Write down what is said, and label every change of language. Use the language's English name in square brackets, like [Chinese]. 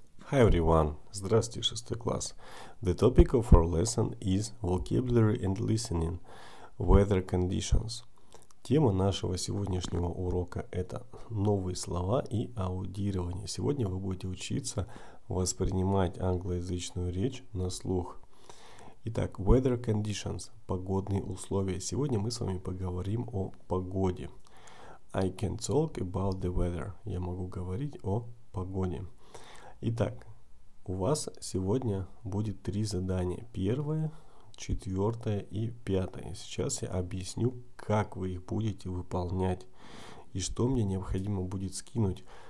[English] Hi everyone, [Russian] здравствуйте, шестой класс. [English] The topic of our lesson is vocabulary and listening, weather conditions. [Russian] Тема нашего сегодняшнего урока – это новые слова и аудирование. Сегодня вы будете учиться воспринимать англоязычную речь на слух. Итак, weather conditions – погодные условия. Сегодня мы с вами поговорим о погоде. [English] I can talk about the weather. [Russian] Я могу говорить о погоде. Итак, у вас сегодня будет три задания. Первое, четвертое и пятое. Сейчас я объясню, как вы их будете выполнять и что мне необходимо будет скинуть.